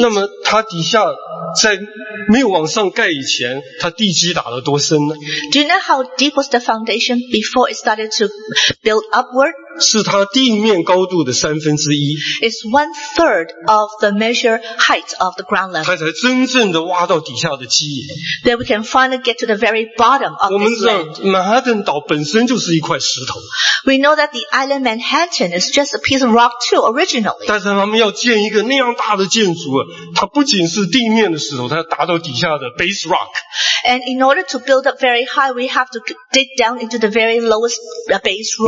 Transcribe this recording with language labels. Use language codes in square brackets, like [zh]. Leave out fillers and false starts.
[zh] 那么它底下在没有往上盖以前，它地基打了多深呢？ [en] Do you know how deep was the foundation before it started to build upward? [zh] 是它地面高度的三分之一。 [en] It's one third of the measure height of the ground level. [zh] 它才真正的挖到底下的基岩。 [en] Then we can finally get to the very bottom of this land. [zh] 我们知道曼哈顿岛本身就是一块石头。 [en] We know that the island Manhattan is just a piece of rock too originally. [zh] 但是他们要建一个那样大的建筑，它不仅是地面的石头，它要达到底下的 base rock. [en] And in order to build up very high, we have to dig down into the very lowest base rock.